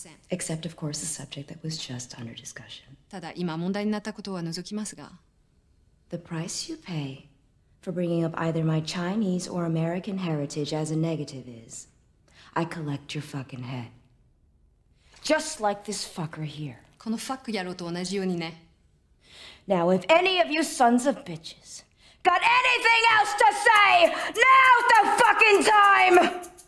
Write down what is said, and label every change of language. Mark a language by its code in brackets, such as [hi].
[en] Except, of course, the subject that was just under discussion. The price you pay for bringing up either my Chinese or American heritage as a negative is, I collect your fucking head. Just like this fucker here. [ja] このファック野郎と同じようにね。 [en] Now, if any of you sons of bitches got anything else to say, now's the fucking time!